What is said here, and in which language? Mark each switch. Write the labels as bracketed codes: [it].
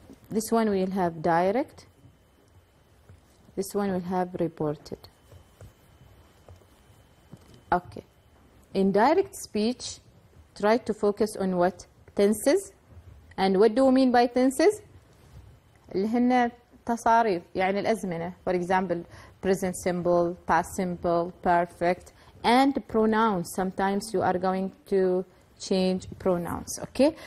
[en] This one will have direct. This one will have reported. Okay. In direct speech, try to focus on what? Tenses. And what do you mean by tenses? [ar] اللي هن تصاريف، يعني الأزمنة. [en] For example, present simple, past simple, perfect, and pronouns. Sometimes you are going to change pronouns. Okay?